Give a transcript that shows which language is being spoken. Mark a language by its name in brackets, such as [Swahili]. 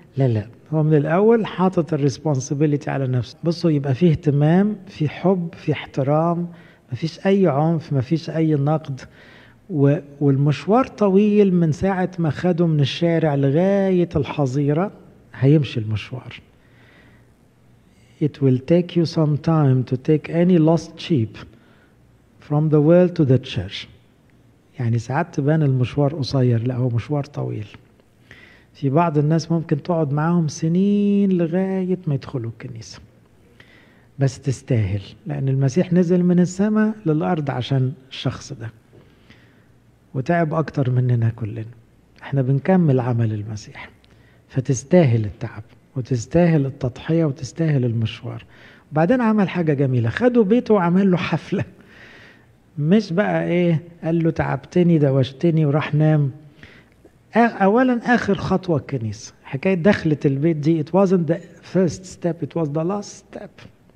[Arabic] لا لا، هو من الاول حاطط الريسبونسابيلتي على نفسه. بصوا، يبقى فيه اهتمام، في حب، في احترام، مفيش اي عنف، مفيش اي نقد. والمشوار طويل من ساعه ما خده من الشارع لغايه الحظيره، هيمشي المشوار. [English] It will take you some time to take any lost sheep from the world to the church. [Arabic] يعني ساعات تبان المشوار قصير، لا هو مشوار طويل. في بعض الناس ممكن تقعد معاهم سنين لغاية ما يدخلوا الكنيسة، بس تستاهل، لأن المسيح نزل من السماء للأرض عشان الشخص ده، وتعب أكتر مننا كلنا. احنا بنكمل عمل المسيح، فتستاهل التعب وتستاهل التضحية وتستاهل المشوار. وبعدين عمل حاجة جميلة، خدوا بيته وعمل له حفلة. مش بقى ايه قال له تعبتني دوشتني وراح نام. اولا اخر خطوة الكنيسة، حكاية دخلة البيت دي، [English] it wasn't the first step, it was the last step.